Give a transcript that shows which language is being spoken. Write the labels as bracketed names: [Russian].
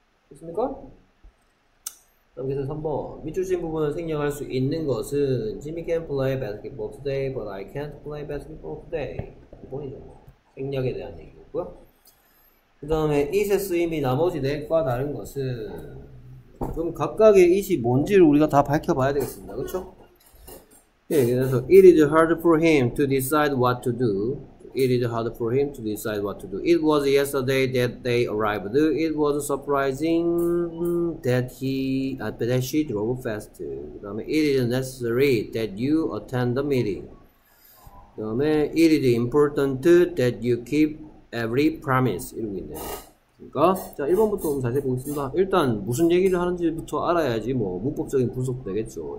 [Korean] 됐습니까? 그럼 계속 3번. 밑줄신 부분을 생략할 수 있는 것은 [English] Jimmy can play basketball today, [Korean] but I can't play basketball today. 5번이죠. 생략에 대한 얘기였고요. 그 다음에 it의 쓰임이 나머지 넷과 다른 것은 그럼 각각의 it이 뭔지를 우리가 다 밝혀봐야 되겠습니다. 그쵸? 예, 그래서 [English] it is hard for him to decide what to do. It is hard for him to decide what to do. It was yesterday that they arrived. It was surprising that she drove fast. [Korean] 그 다음에 [English] it is necessary that you attend the meeting. [Korean] 그 다음에 [English] it is important that you keep every promise. [Korean] 이러고 있네요. 그러니까 자, 1번부터 좀 자세히 보겠습니다. 일단 무슨 얘기를 하는지부터 알아야지 뭐 문법적인 분석도 되겠죠.